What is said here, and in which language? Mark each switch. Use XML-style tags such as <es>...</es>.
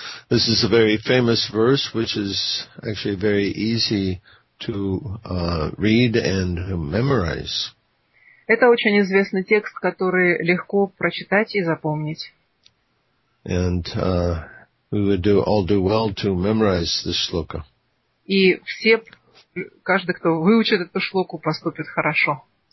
<en>This is a very famous verse, which is actually very easy to read and memorize.</en> <ru>Это очень известный текст, который легко прочитать и запомнить.</ru> <en>And we would all do well to memorize this shloka.</en> <ru>И все, каждый, кто выучит эту шлоку, поступит хорошо.</ru>